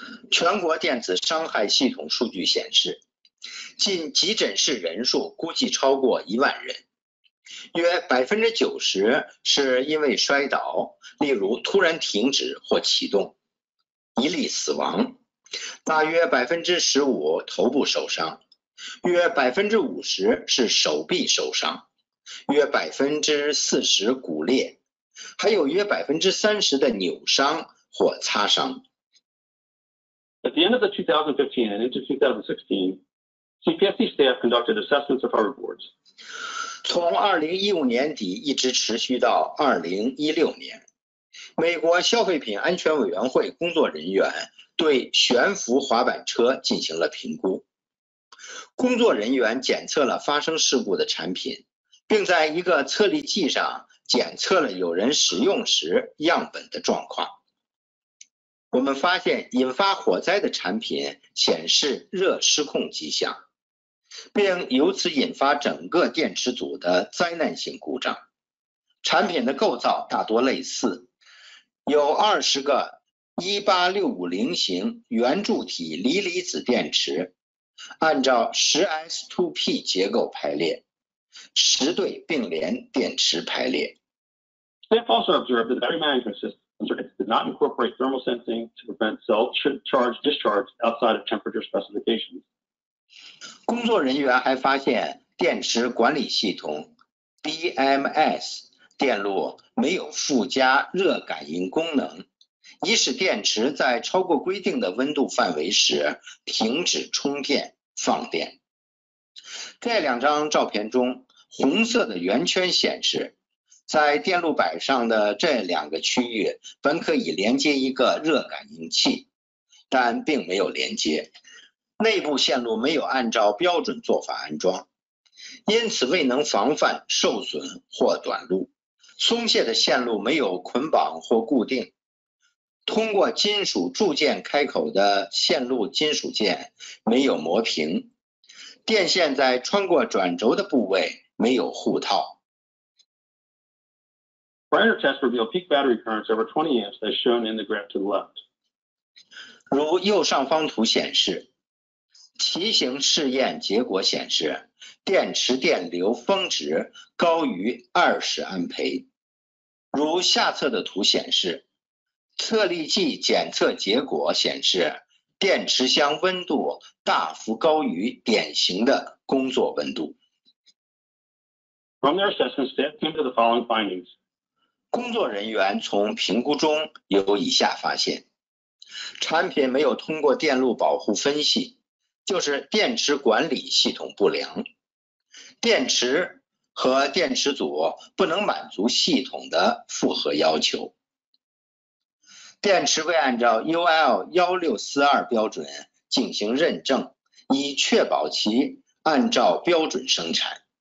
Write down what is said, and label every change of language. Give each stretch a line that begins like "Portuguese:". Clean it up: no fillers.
Chinese: 全国电子伤害系统数据显示，近急诊室人数估计超过一万人，约 90% 是因为摔倒，例如突然停止或启动，一例死亡，大约 15% 头部受伤，约 50% 是手臂受伤，约 40% 骨裂，还有约 30% 的扭伤或擦伤。
English: At the end of the 2015 and into 2016, CPSC staff conducted assessments of hard boards.
Chinese: 从2015年底一直持续到2016年，美国消费品安全委员会工作人员对悬浮滑板车进行了评估。工作人员检测了发生事故的产品，并在一个测力器上检测了有人使用时样本的状况。我们发现引发火灾的产品显示热失控迹象，并由此引发整个电池组的灾难性故障。产品的构造大多类似，有20个18650型圆柱体锂离子电池，按照 10S2P 结构排列，10对并联电池排列。
English: Staff also observed that battery management systemdid not incorporate thermal sensing to prevent cell charge discharge outside of temperature specifications.
Chinese: 工作人员还发现电池管理系统 BMS 电路没有附加热感应功能，以使电池在超过规定的温度范围时停止充电放电。在两张照片中，红色的圆圈显示在电路板上的这两个区域本可以连接一个热感应器，但并没有连接，内部线路没有按照标准做法安装，因此未能防范受损或短路，松懈的线路没有捆绑或固定，通过金属铸件开口的线路金属件没有磨平，电线在穿过转轴的部位没有护套。
English: Prior tests reveal peak battery currents over 20 amps as shown in the graph to the left.
Chinese: 如右上方图显示，骑行试验结果显示电池电流峰值高于20安培。如下侧的图显示，测力计检测结果显示电池箱温度大幅高于典型的工作温度。
English: From their assessment, staff came to the following findings.
Chinese: 工作人员从评估中有以下发现，产品没有通过电路保护分析，就是电池管理系统不良，电池和电池组不能满足系统的负荷要求，电池未按照 UL1642 标准进行认证，以确保其按照标准生产。